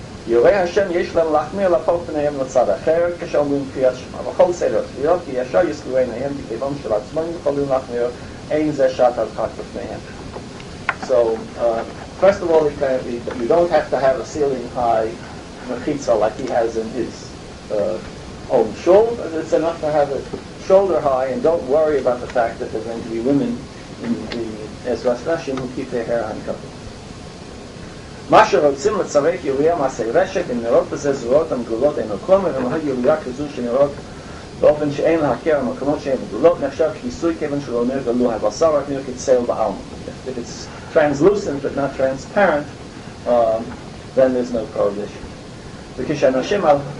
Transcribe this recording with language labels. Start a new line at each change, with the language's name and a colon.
Hebrew: יורי השם יש להם להחמיר לפות פניהם לצד אחר, כשאומרים קריאת שמה, וכל סדר תפילות, כי ישר יסלוי עיניהם, בכיוון של עצמם יכולים להחמיר, אין זה שעת הדחק בפניהם.
English: So, first of all, you don't have to have a ceiling high מחיצה like he has in his own shoulder, it's enough to have it shoulder high, and don't worry about the fact that there's going to be women in the Ezra Slashim who keep their hair uncovered.
Hebrew: מה שרוצים לצרף יוריה מעשי רשת, אם נראות בזה זרועות המגולות אינו קומר, אם היו יוריה כזו שנראות באופן שאין להכר המקומות שהן מגולות, נחשב כיסוי כיוון שלא אומר גלו הבשר, רק נראה כצל בעלמה.
English: If it's translucent but not transparent, then there's no prohibition.
Hebrew: וכשאנשים על...